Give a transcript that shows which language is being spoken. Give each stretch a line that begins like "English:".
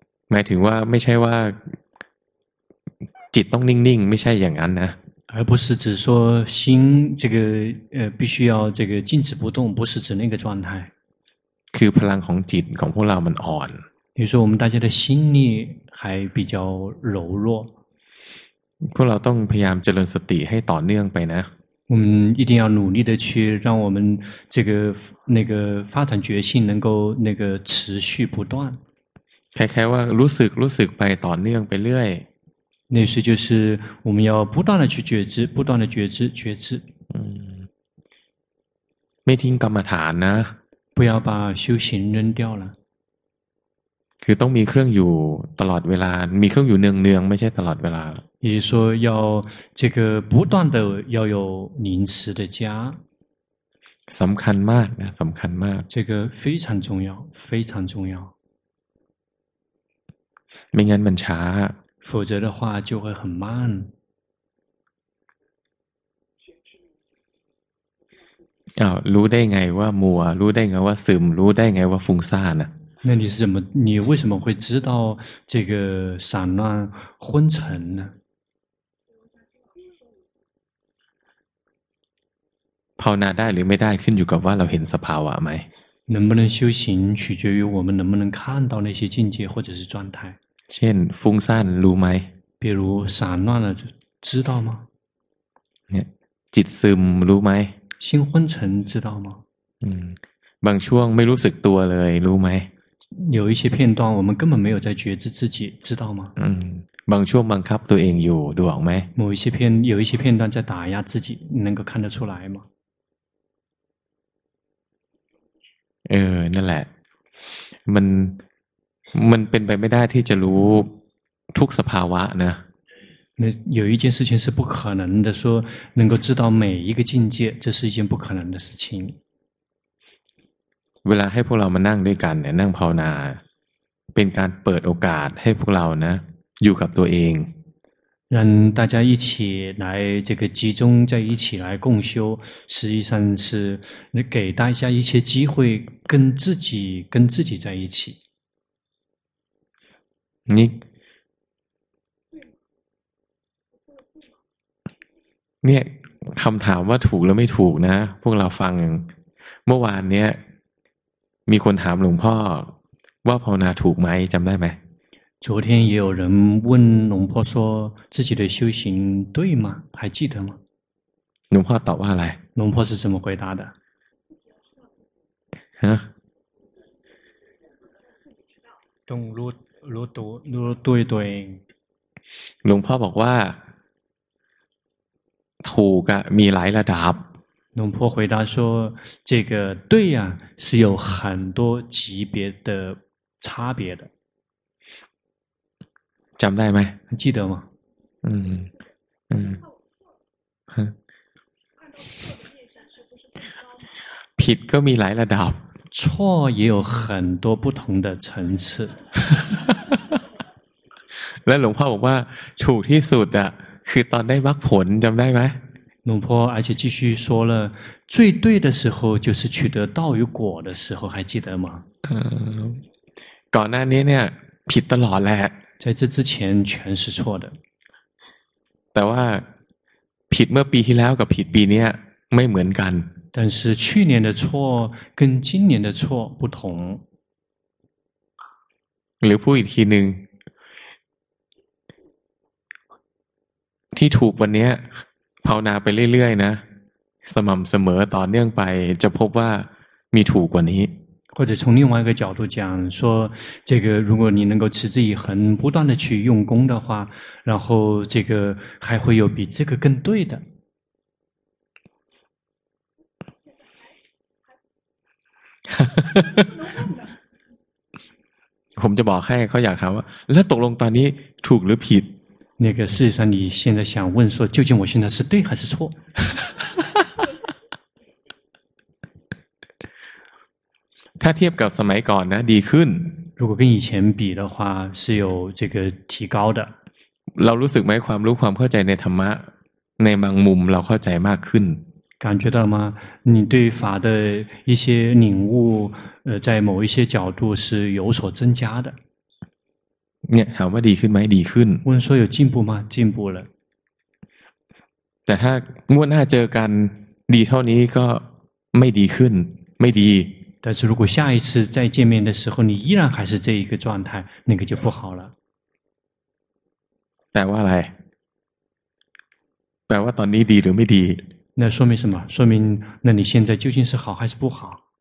Thai: หมายถึงว่าไม่ใช่ว่าจิตต้องนิ่งๆไม่ใช่อย่างนั้นนะ
Chinese: 而不是只说心这个必须要这个静止不动不是指那个状态
Thai: คือพลังของจิตของพวกเรามันอ่อน
Chinese: 比如说我们大家的心力还比较柔弱
Thai: พวกเราต้องพยายามเจริญสติให้ต่อเนื่องไปนะ
Chinese: 我们一定要努力的去让我们这个那个发展觉性能够那个持续不断
Thai: แค่ว่ารู้สึกไปต่อเนื่องไปเรื่อย
Chinese: 那是就是我们要不断的去觉知不断的觉知觉知
Thai: ไม่ทิ้งกรรมฐานนะ
Chinese: 不要把修行扔掉了
Thai: คือต้องมีเครื่องอยู่ตลอดเวลามีเครื่องอยู่เนืองๆไม่ใช่ตลอดเวลา
Chinese: 也说要这个不断的要有临时的家
Thai: สำคัญมากนะสำคัญมาก
Chinese: 这个非常重要非常重要
Thai: ไม่งั้นมันช้า
Chinese: 否则的话就会很慢
Thai: รู้ได้ไงว่ามัวรู้ได้ไงว่าซึมรู้ได้ไงว่าฟุ้งซ่านอ่ะ
Chinese: 那你是怎么你为什么会知道这个散乱昏沉呢
Thai: ภาวนาได้หรือไม่ได้ขึ้นอยู่กับว่าเราเห็นสภาวะไหม
Chinese: 能不能修行取决于我们能不能看到那些境界或者是状态
Thai: เช่นฟุ้งซ่านรู้ไหม
Chinese: 比如散乱了知道吗
Thai: จิตซึมรู้ไหม
Chinese: 心昏沉知道吗
Thai: บางช่วงไม่รู้สึกตัวเลยรู้ไหม
Chinese: 有一些片段我们根本没有在觉知自己知道吗
Thai: บางช่วงบังคับตัวเองอยู่ดูออกไหม
Chinese: 有一些片段在打压自己能够看得出来吗
Thai: เออนั่นแหละมันเป็นไปไม่ได้ที่จะรู้ทุกสภาวะนะ
Chinese: 那有一件事情是不可能的说能够知道每一个境界这是一件不可能的事情
Thai: เวลาให้พวกเรามานั่งด้วยกันเนี่ยนั่งภาวนาเป็นการเปิดโอกาสให้พวกเรานะอยู่กับตัวเอง
Chinese: 让大家一起来这个集中在一起来共修实际上是给大家一些机会跟自己在一起
Thai: เนี่ยคำถามว่าถูกหรือไม่ถูกนะพวกเราฟังเมื่อวานเนี่ยมีคนถามหลวงพ่อว่าภาวนาถูกไหมจำได้ไหม
Chinese: 昨天也有人问龙婆说自己的修行对吗还记得吗
Thai: หลวงพ่อตอบว่าอะไร
Chinese: 龙婆是怎么回答的 ฮะ
Thai: ต้องรู้ตัวรู้ด้วยตัวเอง หลวงพ่อบอกว่าถูกอะมีหลายระดับ
Chinese: หลวงพ่อ回答说这个对呀是有很多级别的差别的
Thai: จำได้ไหม
Chinese: 记得吗
Thai: ผิดก็มีหลายระดับ
Chinese: 错也有很多不同的层次
Thai: และหลวงพ่อบอกว่าถูกที่สุดอะคือตอนได้มรรคผลจำได้ไหม
Chinese: 龙婆而且继续说了最对的时候就是取得道与果的时候还记得吗
Thai: ก่อนหน้านี้เนี่ยผิดตลอดแหละ
Chinese: 在这之前全是错的
Thai: แต่ว่าผิดเมื่อปีที่แล้วกับผิดปีนี้ไม่เหมือนกัน
Chinese: 但是去年的错跟今年的错不同
Thai: หรือพูดอีกทีนึงที่ถูกวันนี้ภาวนาไปเรื่อยๆนะสม่ำเสมอต่อเนื่องไปจะพบว่ามีถูกกว่านี้
Chinese: 或者从另外一个角度讲说这个如果你能够持之以恒不断的去用功的话然后这个还会有比这个更对的
Thai: ผมจะบอกให้เขาอยากถามว่าแล้วตกลงตอนนี้ถูกหรือผิด นี่คือ
Chinese: 事实上你现在想问说究竟我现在是对还是错
Thai: ถ้าเทียบกับสมัยก่อนนะดีขึ้น
Chinese: 如果跟以前比的话是有这个提高的
Thai: เรารู้สึกไหมความรู้ความเข้าใจในธรรมะในบางมุมเราเข้าใจมากขึ้น
Chinese: 感觉到吗你对法的一些领悟在某一些角度是有所增加的
Thai: เนี่ยถามว่าดีขึ้นไหมดีขึ้น วันนี้
Chinese: 有进步吗进步了
Thai: แต่ถ้างวดหน้าเจอกันดีเท่านี้ก็ไม่ดีขึ้นไม่ดี
Chinese: 但是如果下一次再见面的时候你依然还是这一个状态那个就不好了
Thai: แปลว่าอะไรแปลว่าตอนนี้ดีหรือไม่ดี
Chinese: 那说明什么说明那你现在究竟是好还是不好